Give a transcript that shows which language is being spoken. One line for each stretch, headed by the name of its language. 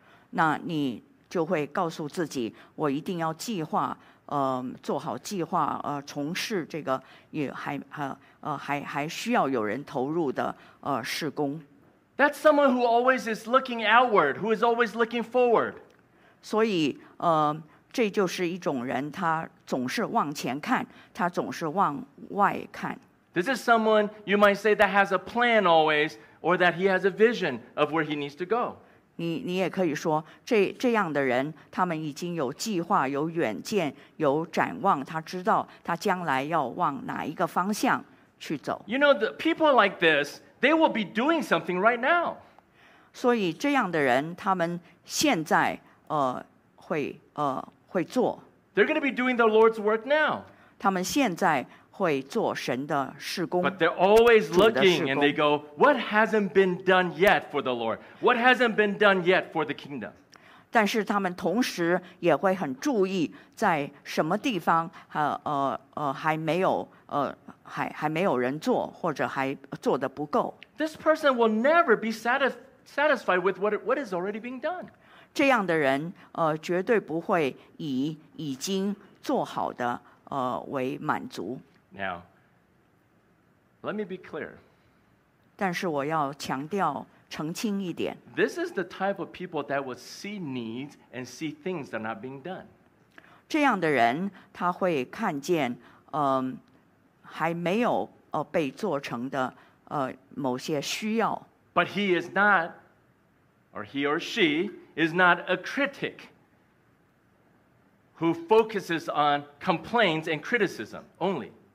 Chinese: 那你就会告诉自己，我一定要计划，做好计划，从事这个也还，还需要有人投入的，事工。
English: That's someone who always is looking outward, who is always looking forward.
Chinese: 所以，这就是一种人，他总是往前看，他总是往外看。
English: This is someone, you might say, that has a plan always, or that he has a vision of where he needs to go.
Chinese: 你也可以说，这样的人，他们已经有计划，有远见，有展望，他知道他将来要往哪一个方向去走。
English: You know, the people like this,They will be doing something right now.
Chinese: 所以这样的人，他们现在，会做。
English: They're going to be doing the Lord's work now.
Chinese: 他们现在会做神的事工。
English: But they're always looking and they go, what hasn't been done yet for the Lord? What hasn't been done yet for the kingdom?
Chinese: 但是他们同时也会很注意在什么地方，还没有还没有人做，或者还做得不够。
English: This person will never be satisfied with what is already being done.
Chinese: 这样的人，绝对不会以已经做好的，为满足。
English: Now, let me be clear.
Chinese: 但是我要强调澄清一点。
English: This is the type of people that will see needs and see things that are not being done.
Chinese: 这样的人，他会看见，还没有被做成的某些需要。
English: But he is not, or he or she is not a critic who focuses on complaints and criticism only.